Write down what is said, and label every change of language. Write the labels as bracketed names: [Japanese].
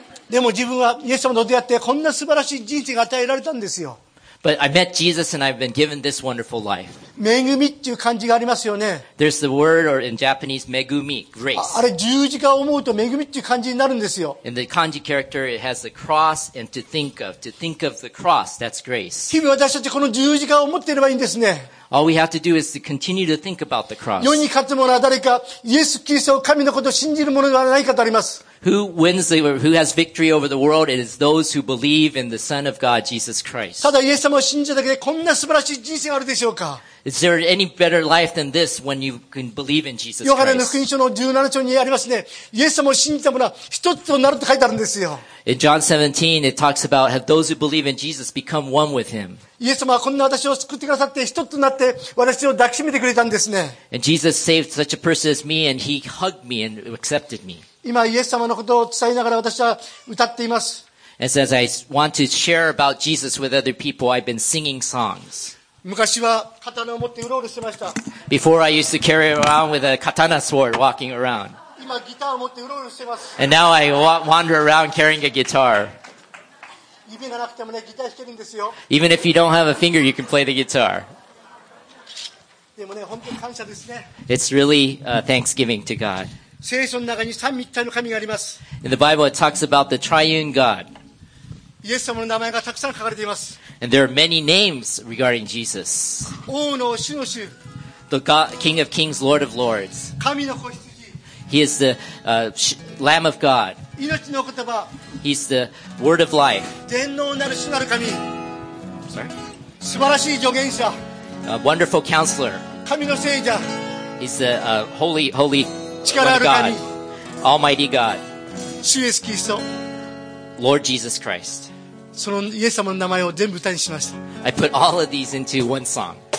[Japanese] でも自分はイエス様と出会ってこんな素晴らしい人生が与えられたんですよ。 [English] But I met Jesus and I've been given this wonderful life. [Japanese] 恵みっていう漢字がありますよね。 [English] There's the word or in Japanese, 恵み grace. [Japanese] あれ十字架を思うと恵みっていう漢字になるんですよ。 [English] In the kanji character, it has the cross and to think of the cross, that's grace. [Japanese] 日々私たちこの十字架を持っていればいいんですね。 [English] All we have to do is to continue to think about the cross. [Japanese] 世に勝つ者は誰か、イエス・キリストを神のことを信じる者ではないかとあります。 [English] Who wins the, who has victory over the world? It is those who believe in the Son of God, Jesus Christ. [Japanese] ただイエス様を信じるだけでこんな素晴らしい人生があるでしょうか? [English] Is there any better life than this when you can believe in Jesus Christ? [Japanese] ヨハネの福音書の17章にありますね。イエス様を信じた者は一つとなると書いてあるんですよ。 [English] In John 17, it talks about have those who believe in Jesus become one with him. [Japanese] イエス様はこんな私を救ってくださって一つとなって私を抱きしめてくれたんですね。 [English] And Jesus saved such a person as me and he hugged me and accepted me. [Japanese] 今イエス様のことを伝えながら私は歌っています。 [English] As I want to share about Jesus with other people, I've been singing songs. [Japanese] 昔は刀を持ってうろうろしてました。 [English] Before I used to carry around with a katana sword walking around. [Japanese] 今ギターを持ってうろうろしてます。 [English] And now I wander around carrying a guitar. [Japanese] 指がなくてもねギター弾けるんですよ。 [English] Even if you don't have a finger, you can play the guitar. [Japanese] でもね本当に感謝ですね。 [English] It's really thanksgiving to God. [Japanese] 聖書の中に三位一体の神があります。 [English] In the Bible, it talks about the triune God. [Japanese] イエス様の名前がたくさん書かれています。 [English] And there are many names regarding Jesus. [Japanese] 王の主の主。 [English] The God, King of Kings, Lord of Lords. [Japanese] 神の子羊。 [English] He is the, Lamb of God. [Japanese] 命の言葉。 [English] He's the Word of Life. [Japanese] 全能なる主なる神。 [English] Sorry? [Japanese] 素晴らしい助言者。 [English] A wonderful counselor. [Japanese] 神の聖者。 [English] He's the, holy, [Japanese] 力ある神 [English] God, Almighty God. [Japanese] 主イエスキリスト [English] Lord Jesus Christ. [Japanese] そのイエス様の名前を全部歌にしました。 [English] I put all of these into one song.